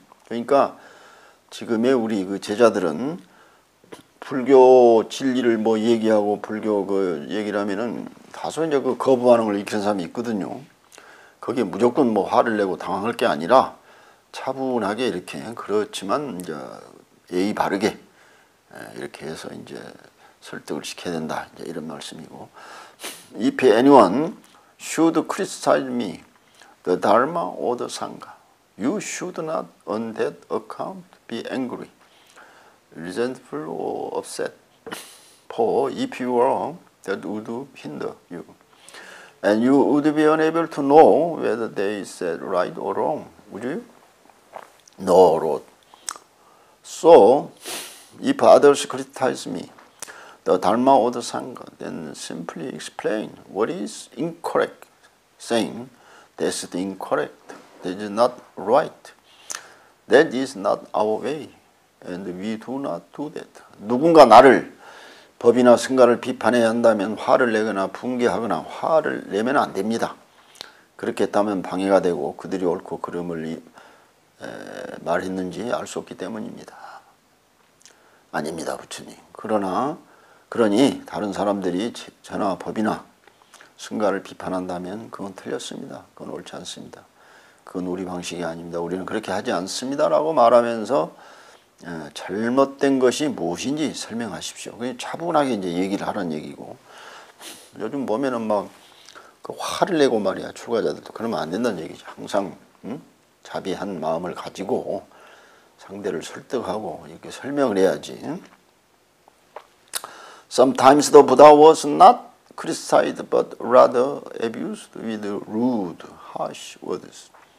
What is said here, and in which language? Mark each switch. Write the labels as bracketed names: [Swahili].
[Korean] 그러니까 지금의 우리 그 제자들은 불교 진리를 뭐 얘기하고 불교 그 얘기라면은 다소 이제 그 거부하는 걸 익힌 사람이 있거든요. 거기에 무조건 뭐 화를 내고 당황할 게 아니라 차분하게 이렇게 그렇지만 이제 예의 바르게 이렇게 해서 이제 설득을 시켜야 된다. 이제 이런 말씀이고. [English] If anyone should criticize me, the Dharma or the Sangha, you should not on that account be angry, resentful or upset. For if you are, that would hinder you. And you would be unable to know whether they said right or wrong, would you? No, Lord. So, if others criticize me, the Dharma or the Sangha, then simply explain what is incorrect, saying that's the incorrect, that is not right, that is not our way, and we do not do that. [Korean] 누군가 나를 법이나 승가를 비판해야 한다면 화를 내거나 붕괴하거나 화를 내면 안 됩니다. 그렇게 했다면 방해가 되고 그들이 옳고 그름을 말했는지 알수 없기 때문입니다. 아닙니다, 부처님. 그러니 다른 사람들이 제나 법이나 승가를 비판한다면 그건 틀렸습니다. 그건 옳지 않습니다. 그건 우리 방식이 아닙니다. 우리는 그렇게 하지 않습니다라고 말하면서 잘못된 것이 무엇인지 설명하십시오. 그냥 차분하게 이제 얘기를 하라는 얘기고. 요즘 보면은 막그 화를 내고 말이야. 출가자들도 그러면 안 된다는 얘기죠. 항상 자비한 마음을 가지고 상대를 설득하고 이렇게 설명을 해야지. [English] Sometimes the Buddha was not criticized, but rather abused with rude, harsh words.